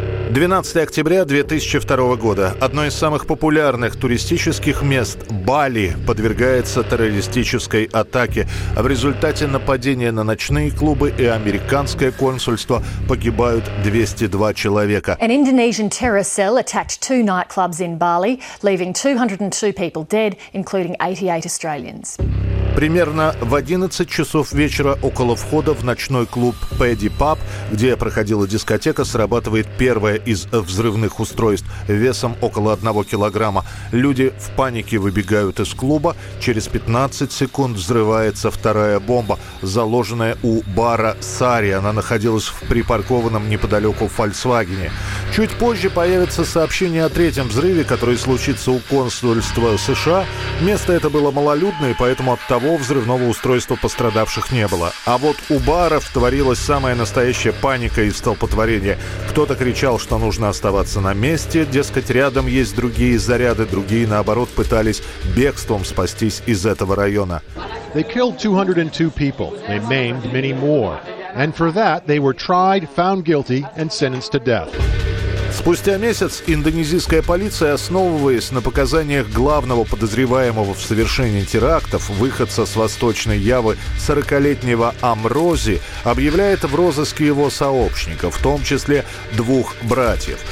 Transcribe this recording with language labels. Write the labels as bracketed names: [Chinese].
[Russian] 12 октября 2002 года. Одно из самых популярных туристических мест – Бали – подвергается террористической атаке. В результате нападения на ночные клубы и американское консульство погибают 202 человека. [English] An Indonesian terrorist cell attacked 2 nightclubs in Bali, leaving 202 people dead, including 88 Australians. [Russian] Примерно в 11 часов вечера около входа в ночной клуб «Пэдди Паб», где проходила дискотека, срабатывает первое из взрывных устройств весом около 1 килограмма. Люди в панике выбегают из клуба. Через 15 секунд взрывается вторая бомба, заложенная у бара «Сари». Она находилась в припаркованном неподалеку «Фольксвагене». Чуть позже появится сообщение о третьем взрыве, который случится у консульства США. Место это было малолюдное, поэтому от того взрывного устройства пострадавших не было. А вот у баров творилась самая настоящая паника и столпотворение. Кто-то кричал, что нужно оставаться на месте, дескать, рядом есть другие заряды, другие, наоборот, пытались бегством спастись из этого района. [English] They killed 202 people. They maimed many more. And for that they were tried, found guilty and sentenced to death. [Russian] Спустя месяц индонезийская полиция, основываясь на показаниях главного подозреваемого в совершении терактов, выходца с Восточной Явы, 40-летнего Амрози, объявляет в розыске его сообщников, в том числе 2 братьев.